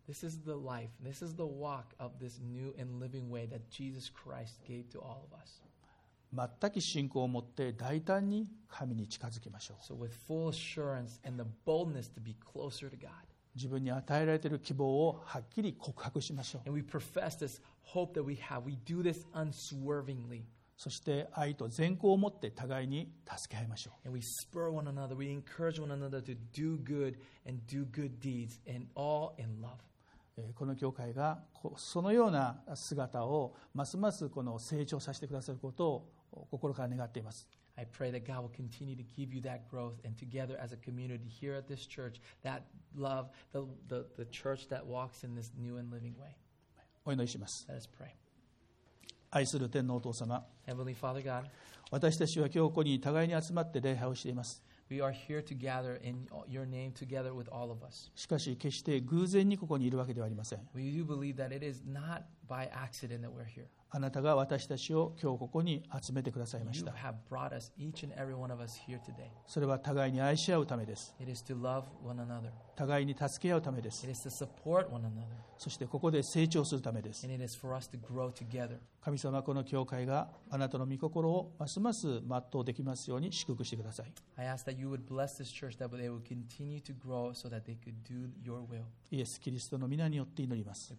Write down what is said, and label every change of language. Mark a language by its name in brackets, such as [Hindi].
[English] This is the life. This is the walk of this new and living way that Jesus Christ gave to all of us. [Japanese] 全く信仰を持って大胆に神に近づきましょう。 [English] So with full assurance and the boldness to be closer to God. [Japanese] 自分に与えられている希望をはっきり告白しましょう。 [English] And we profess this hope that we have. We do this unswervingly. [Japanese] そして愛と善行を持って互いに助け合いましょう。 [English] And we spur one another. We encourage one another to do good and do good deeds and all in love. [Japanese] この教会がそのような姿をますますこの成長させてくださることを心から願っています。 [English] I pray that God will continue to give you that growth and together as a community here at this church, that love, the church that walks in this new and living way. [Japanese] お祈りします。 [English] Let us pray. [Japanese] 愛する天のお父様。 [English] Heavenly Father God. [Japanese] 私たちは今日ここに互いに集まって礼拝をしています。 [English] We are here together in your name together with all of us. [Japanese] しかし決して偶然にここにいるわけではありません。 [English] We do believe that it is not by accident that we're here. [Japanese] あなたが私たちを今日ここに集めてくださいました。 [English] You have brought us, each and every one of us here today. [Japanese] それは互いに愛し合うためです。 [English] It is to love one another. [Japanese] 互いに助け合うためです。 [English] It is to support one another. [Japanese] そしてここで成長するためです。 [English] And it is for us to grow together. [Japanese] 神様、この教会があなたの御心をますます全うできますように祝福してください。 [English] I ask that you would bless this church that they would continue to grow so that they could do your will. [Japanese] イエス・キリストの御名によって祈ります。